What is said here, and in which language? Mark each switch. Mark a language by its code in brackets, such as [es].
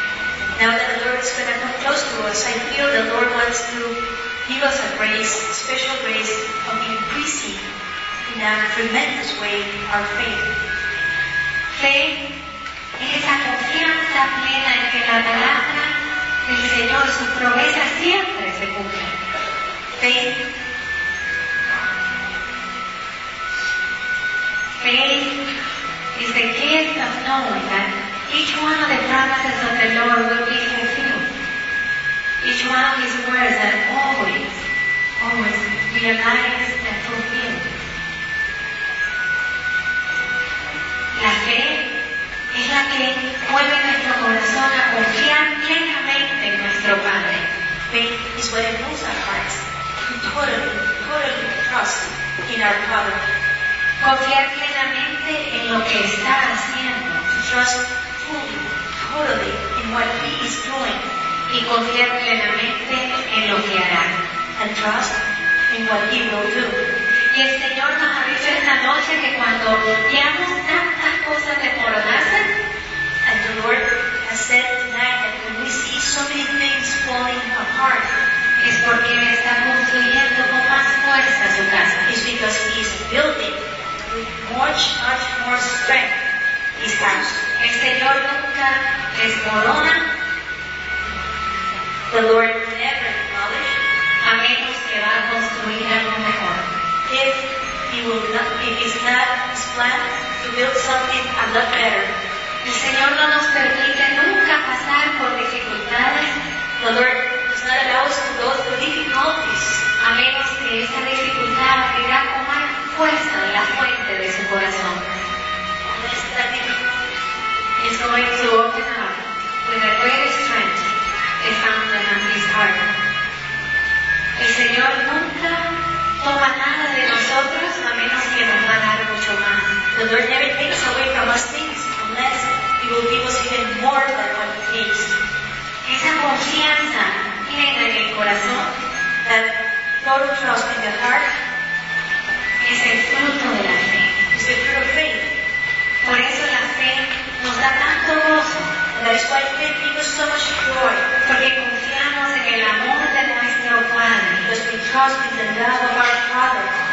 [en] because I feel the Lord wants to give us a grace, a special grace of increasing in a tremendous way our faith. [es] Faith es esa confianza plena en que la palabra del Señor, su promesa siempre se cumple. [en] Faith is the gift of knowing that each one of the promises of the Lord will be fulfilled. Each one of His words that always, always realized and fulfilled. [es] La fe es la que mueve nuestro corazón a confiar plenamente en nuestro Padre. [en] Faith is what moves our hearts to totally trust in our Father. [es] Confiar plenamente en lo que está haciendo. [en] To trust fully, totally in what He is doing. [es] Y confiar plenamente en lo que hará. [en] And trust in what He will do. [es] Y el Señor nos avisa esta noche que cuando veamos tantas cosas de coronarse, [en] and the Lord has said tonight that when we see so many things falling apart, [es] es porque está construyendo con más fuerza su casa. [en] It's because He is building with much, much more strength His house. [es] El Señor nunca desmorona. [en] The Lord never demolish. [es] A menos que va a construir algo mejor. [en] If He will not, if it's not His plan to build something a lot better. [es] El Señor no nos permite nunca pasar por dificultades. [en] The Lord does not allow us to go through difficulties. [es] A menos que esa dificultad venga con más fuerza en la fuente de su corazón. [en] Unless that difficulty is going to open up with a greater strength the fountain of His heart. [es] El Señor nunca toma nada de nosotros a menos que nos va a dar mucho más. [en] The Lord never takes away from us things unless He will give us even more than what He takes. [es] Esa confianza plena en el corazón, [en] that total trust in the heart, [es] es el fruto de la fe. [en] It's the fruit of faith. [es] Por eso la fe nos da tanto gozo. [en] And that is why faith gives us so much joy. [es] Porque confiamos en el amor de nuestro Padre. [en] Because we trust in the love of our Father.